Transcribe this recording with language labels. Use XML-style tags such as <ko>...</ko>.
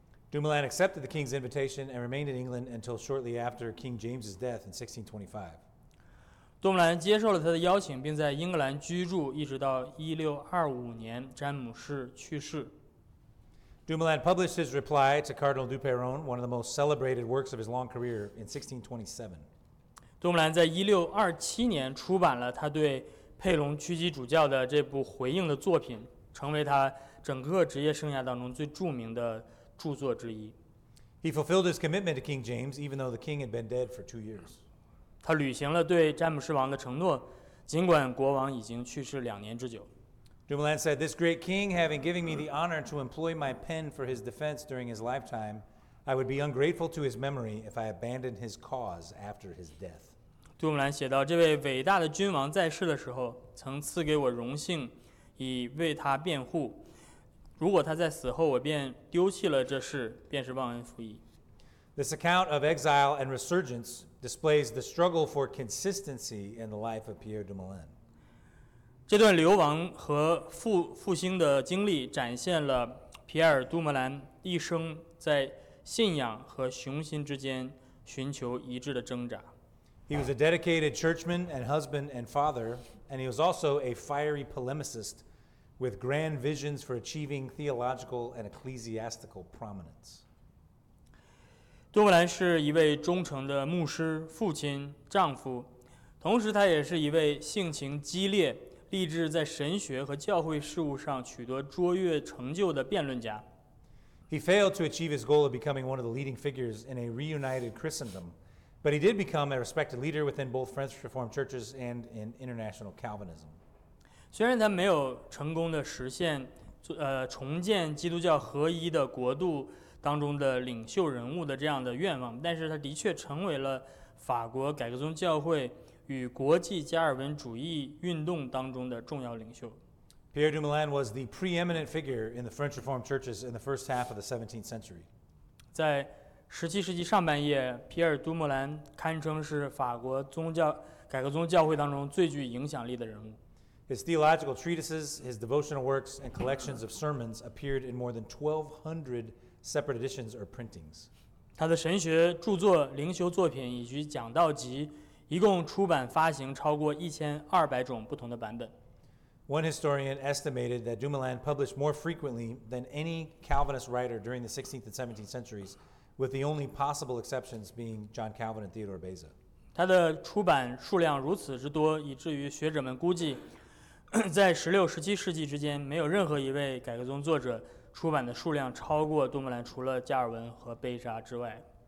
<en>Dumoulin accepted the king's invitation and remained in England until shortly after King James's death in 1625.</en> <zh>杜姆兰接受了他的邀请，并在英格兰居住，一直到1625年詹姆士去世。</zh> <en>Dumoulin published his reply to Cardinal du Perron, one of the most celebrated works of his long career, in 1627.</en> <zh>杜姆兰在1627年出版了他对佩龙屈膝主教的这部回应的作品，成为他整个职业生涯当中最著名的著作之一。</zh> <en>He fulfilled his commitment to King James, even though the king had been dead for 2 years.</en> <zh>他履行了对詹姆士王的承诺，尽管国王已经去世两年之久。</zh> <en>Dumoulin said, "This great king, having given me the honor to employ my pen for his defense during his lifetime, I would be ungrateful to his memory if I abandoned his cause after his death."</en> <zh>杜姆兰写道：“这位伟大的君王在世的时候，曾赐给我荣幸，以为他辩护。如果他在死后，我便丢弃了这事，便是忘恩负义。”</zh> <en>This account of exile and resurgence. Displays the struggle for consistency in the life of Pierre Dumoulin.</en> <zh>这段流亡和复兴的经历展现了皮尔·杜姆兰一生在信仰和雄心之间寻求一致的挣扎。</zh> <en>He was a dedicated churchman and husband and father, and he was also a fiery polemicist with grand visions for achieving theological and ecclesiastical prominence.</en> <zh>杜姆兰是一位忠诚的牧师、父亲、丈夫，同时他也是一位性情激烈、立志在神学和教会事务上取得卓越成就的辩论家。</zh> <en>He failed to achieve his goal of becoming one of the leading figures in a reunited Christendom, but he did become a respected leader within both French Reformed churches and in international Calvinism.</en> <zh>虽然他没有成功的实现，重建基督教合一的国度。当中的领袖人物的这样的愿望，但是他的确成为了法国改革宗教会与国际加尔文主义运动当中的重要领袖。</zh> <en>Pierre Dumoulin was the preeminent figure in the French Reformed churches in the first half of the 17th century.</en> <zh>在17世纪上半叶，皮尔·杜姆兰堪称是法国宗教改革宗教会当中最具影响力的人物。</zh> <en>His theological treatises, his devotional works, and collections of sermons appeared in more than 1,200. Separate editions or printings.</en> <zh>他的神学著作、灵修作品以及讲道集，一共出版发行超过1200种不同的版本。</zh> <en>One historian estimated that Dumoulin published more frequently than any Calvinist writer during the 16th and 17th centuries, with the only possible exceptions being John Calvin and Theodore Beza.</en> <zh>他的出版数量如此之多，以至于学者们估计，在16、17世纪之间，没有任何一位改革宗作者出版的数量超过杜牧兰除了加尔文和贝扎之外。</zh>